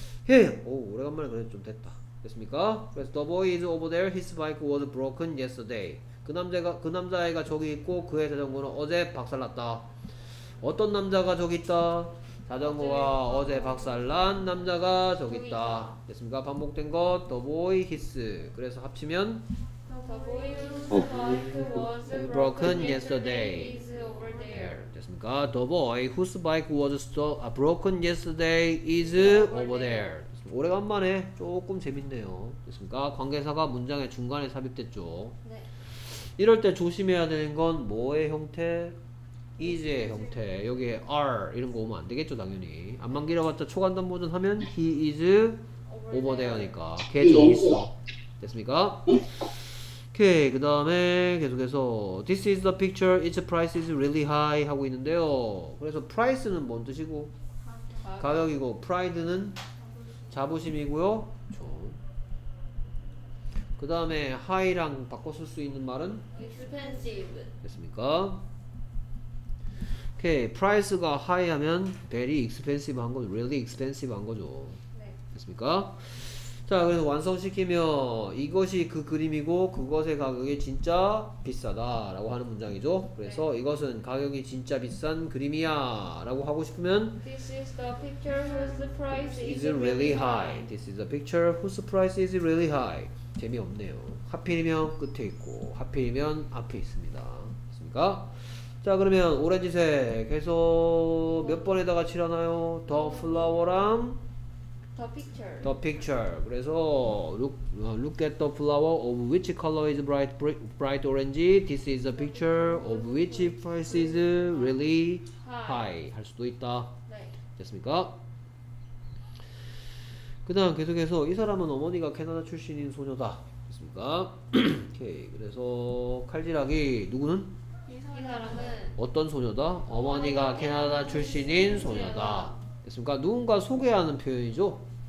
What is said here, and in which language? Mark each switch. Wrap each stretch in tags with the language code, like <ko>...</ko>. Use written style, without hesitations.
<ko>예 오 오래간만에 그래도 좀 됐다 됐습니까?</ko> <en>그래서 the boy is over there his bike was broken yesterday</en> <ko>그 남자가 그 남자애가 저기 있고 그의 자전거는 어제 박살났다. 어떤 남자가 저기 있다. 자전거가 어제 박살난 남자가 저기 있다. 됐습니까? 반복된 거</ko> <en>the boy his.</en> <ko>그래서 합치면</ko> <en>the boy whose bike was broken yesterday is over there.</en> <ko>됐습니까?</ko> <en>The boy whose bike was broken yesterday is over there.</en> <ko>오래간만에 조금 재밌네요. 됐습니까? 관계사가 문장의 중간에 삽입됐죠. 이럴 때 조심해야 되는 건 뭐의 형태? is의 형태 여기에 are 이런 거 오면 안 되겠죠 당연히 안만 길어봤자 초간단 버전 하면</ko> <en>he is over there</en> <ko>하니까 걔 좀 있어 됐습니까? 오케이 그 다음에 계속해서</ko> <en>this is the picture its price is really high</en> <ko>하고 있는데요 그래서 price는 뭔 뜻이고? 가격이고 pride는? 자부심이고요 그 다음에 high랑 바꿔 쓸 수 있는 말은?</ko> <en>expensive</en> <ko>됐습니까? 오케이 price가 high하면</ko> <en>very expensive</en> <ko>한 거죠</ko> <en>really expensive</en> <ko>한 거죠 네. 됐습니까? 자 그래서 완성시키면 이것이 그 그림이고 그것의 가격이 진짜 비싸다 라고 하는 문장이죠 그래서 네. 이것은 가격이 진짜 비싼 그림이야 라고 하고 싶으면</ko> <en>this is the picture whose price is really high this is the picture whose price is really high</en> <ko>재미없네요. 하필이면 끝에 있고 하필이면 앞에 있습니다. 됐습니까? 자 그러면 오렌지색 계속 몇 번에다가 칠하나요?</ko> <en>The flower랑 The picture The picture</en> <ko>그래서</ko> <en>look at the flower of which color is bright orange This is the picture of which price is really high</en> <ko>할 수도 있다. 됐습니까? 그 다음 계속해서 이 사람은 어머니가 캐나다 출신인 소녀다 됐습니까? 오케이 그래서 칼질하기 누구는? 이 사람은 어떤 소녀다? 어머니가 캐나다 출신인 소녀다 됐습니까? 누군가 소개하는 표현이죠?</ko>